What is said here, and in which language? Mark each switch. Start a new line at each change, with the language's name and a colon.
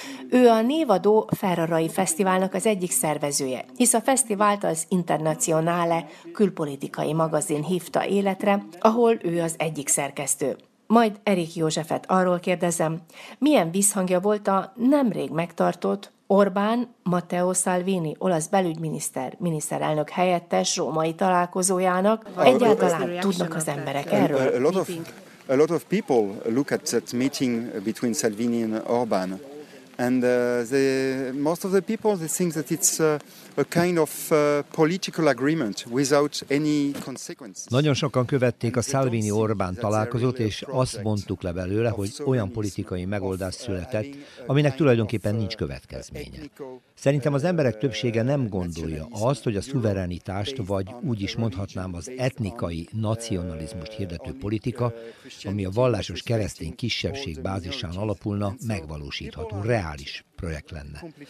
Hungarian: Ő a névadó Ferrarai Fesztiválnak az egyik szervezője, hisz a fesztivált az Internacionale külpolitikai magazin hívta életre, ahol ő az egyik szerkesztő. Majd Erik Józsefet arról kérdezem, milyen visszhangja volt a nemrég megtartott Orbán Matteo Salvini, olasz belügyminiszter, miniszterelnök helyettes római találkozójának. Egyáltalán tudnak az emberek erről?
English: A lot of people look at that meeting between Salvini and Orbán. And the most of the people they think that it's a kind of political agreement without any consequences.
Hungarian: Nagyon sokan követték a Salvini Orbán találkozót, és azt mondtuk le belőle, hogy olyan politikai megoldás született, aminek tulajdonképpen nincs következménye. Szerintem az emberek többsége nem gondolja azt, hogy a szuverenitást, vagy úgy is mondhatnám az etnikai nacionalizmust hirdető politika, ami a vallásos keresztény kisebbség bázisán alapulna, megvalósítható, reális projekt lenne.